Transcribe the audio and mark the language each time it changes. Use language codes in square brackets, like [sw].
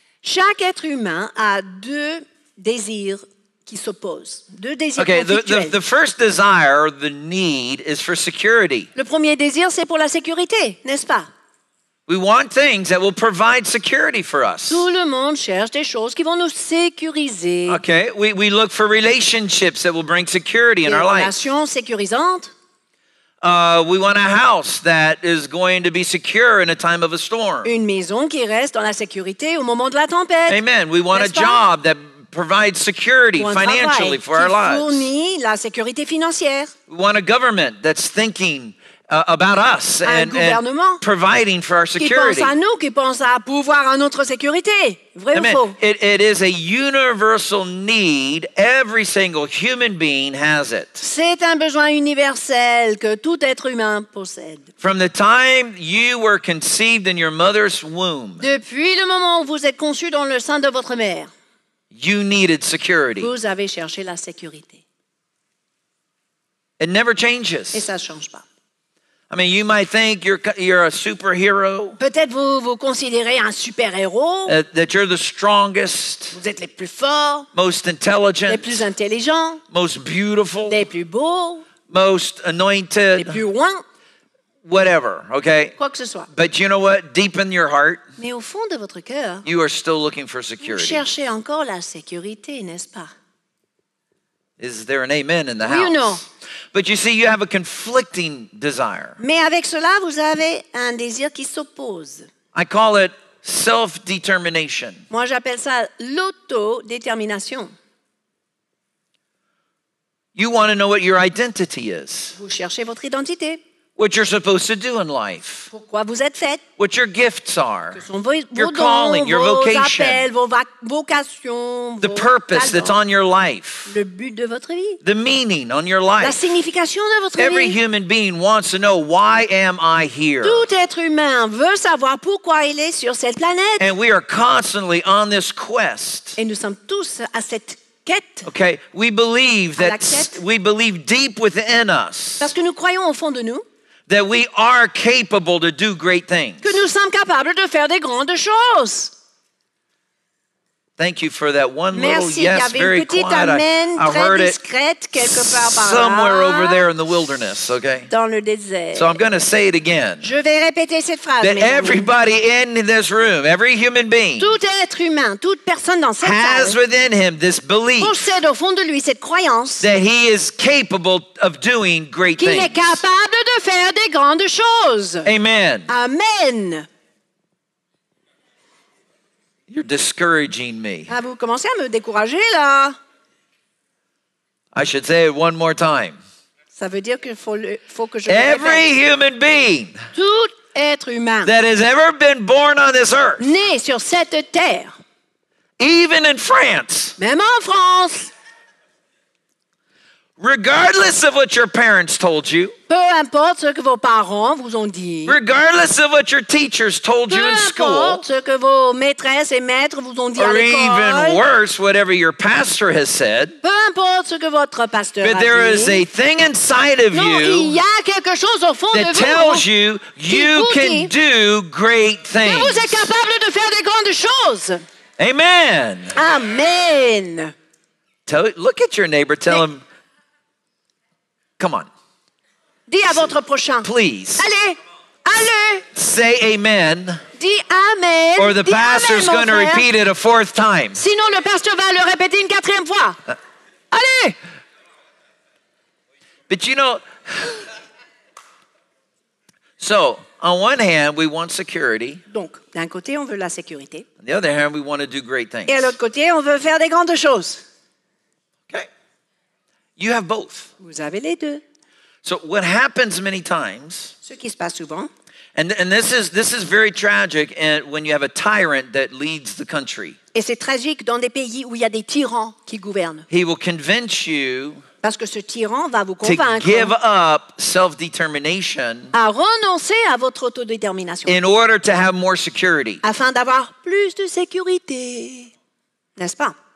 [fr] Chaque être humain a deux désirs qui s'opposent. Deux désirs conflictuels. [en] Okay, the first desire, the need, is for security. [fr] Le premier désir, c'est pour la sécurité, n'est-ce pas? [en] We want things that will provide security for us. [fr] Tout le monde cherche des choses qui vont nous sécuriser. [en] Okay, we look for relationships that will bring security in our life. [fr] Des relations sécurisantes. [en] We want a house that is going to be secure in a time of a storm. [fr] Une maison qui reste dans la sécurité au moment de la tempête. [en] Amen. We want [fr] n'est-ce [en] a job that provides security financially for our lives. [fr] Qui fournit la sécurité financière. [en] We want a government that's thinking about us and providing for our security. [fr] Qui pense à nous, qui pense à pouvoir à notre sécurité. Vrai [en] Amen. [fr] Ou faux? [en] It is a universal need. Every single human being has it. [fr] C'est un besoin universel que tout être humain possède. [en] From the time you were conceived in your mother's womb. [fr] Depuis le moment où vous êtes conçu dans le sein de votre mère. [en] You needed security. [fr] Vous avez cherché la sécurité. [en] It never changes. [fr] Et ça ne change pas. [en] I mean, you might think you're a superhero. [fr] Peut-être vous considérez un super-héros. [en] That you're the strongest. [fr] Vous êtes les plus forts. [en] Most intelligent. [fr] Les plus intelligents. [en] Most beautiful. [fr] Les plus beaux. [en] Most anointed. [fr] Les plus loin. [en] Whatever, okay? [fr] Quoi que ce soit. [en] But you know what? Deep in your heart. [fr] Mais au fond de votre cœur. [en] You are still looking for security. [fr] Vous cherchez encore la sécurité, n'est-ce pas? [en] Is there an amen in the house? [fr] Oui ou non? [en] But you see, you have a conflicting desire. [fr] Mais avec cela, vous avez un désir qui s'oppose. [en] I call it self-determination. [fr] Moi, j'appelle ça l'autodétermination. [en] You want to know what your identity is. [fr] Vous cherchez votre identité. [en] What you're supposed to do in life. [fr] Pourquoi vous êtes fait. [en] What your gifts are. [fr] Que sont vos [en] your [fr] dons, [en] calling, your [fr] vos vocation. Appels, vos vocations, [en] the [fr] vos [en] purpose [fr] talents. [en] That's on your life. [fr] Le but de votre vie. [en] The meaning on your life. [fr] La signification de votre [en] Every [fr] vie. [en] Human being wants to know, why am I here? [fr] Tout être humain veut savoir pourquoi il est sur cette planète. [en] And we are constantly on this quest. [fr] Et nous sommes tous à cette quête. [en] Okay, we believe that we believe deep within us. [fr] Parce que nous croyons au fond de nous. [en] That we are capable to do great things. [fr] Que nous sommes capables de faire des grandes choses. [en] Thank you for that one [fr] Merci. [en] Little yes, very quiet. [fr] Amen, [en] I heard [fr] discrète, [en] it [fr] quelque part [en] somewhere [fr] par là, [en] over there in the wilderness, okay? [fr] Dans le désert. [en] So I'm going to say it again. [fr] Je vais répéter cette phrase. [en] That everybody amis. In this room, every human being, [fr] tout être humain, toute personne dans cette [en] has [fr] salle, [en] within him this belief [fr] possède au fond de lui cette croyance, [en] that he is capable of doing great [fr] qu'il [en] things. [fr] Est capable de faire des grandes choses. [en] Amen. [fr] Amen. [en] You're discouraging me. [fr] Ah, vous commencez à me décourager là. [en] I should say it one more time. [fr] Ça veut dire qu'il faut que je [en] Every [fr] le répète. [en] Human being. [fr] Tout être humain. [en] That has ever been born on this earth. [fr] Né sur cette terre. [en] Even in France. [fr] Même en France. [en] Regardless of what your parents told you. [fr] Peu importe ce que vos parents vous ont dit. [en] Regardless of what your teachers told you in school. [fr] Peu importe ce que vos maîtresses et maîtres vous ont dit à l'école. [en] Or even worse, whatever your pastor has said. [fr] Peu importe ce que votre pasteur a dit. [en] But there is a thing inside of you. [fr] Il y a quelque chose au fond de vous. [en] That tells you you can do great things. [fr] Vous êtes capable de faire des grandes choses. [en] Amen. [fr] Amen. [en] Look at your neighbor. Tell him. Come on. [fr] Dis à votre prochain. [en] Please. [fr] Allez. Allez. [en] Say amen. [fr] Dis amen. [en] Or the pastor's going to repeat it a fourth time. [fr] Sinon le pasteur va le répéter une quatrième fois. Allez. [en] But you know, so on one hand we want security. [fr] Donc d'un côté on veut la sécurité. [en] On the other hand we want to do great things. [fr] Et à l'autre côté on veut faire des grandes choses. [en] You have both. [fr] Vous avez les deux. [en] So what happens many times? [fr] Ce qui se passe souvent. [en] And this is very tragic when you have a tyrant that leads the country. [fr] Et c'est tragique dans des pays où il y a des tyrans qui gouvernent. [en] He will convince you. [fr] Parce que ce tyran va vous convaincre. [en] To give up self-determination. [fr] À renoncer à votre autodétermination. [en] In order to have more security. [fr] Afin d'avoir plus de sécurité, n'est-ce pas?